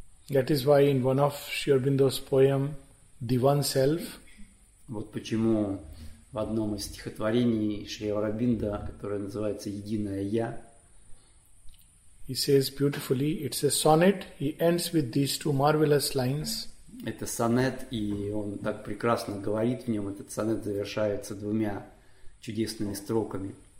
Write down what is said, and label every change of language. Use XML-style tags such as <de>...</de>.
<en>That is why in one of Sri Aurobindo's poem, The One Self.</en> <ru>Вот почему в одном из стихотворений Шри Аурабинда, которое называется «Единое Я»,</ru> <en>he says beautifully, it's a sonnet, he ends with these two marvelous lines.</en> <ru>Это сонет, и он так прекрасно говорит в нем, этот сонет завершается двумя чудесными строками.</ru>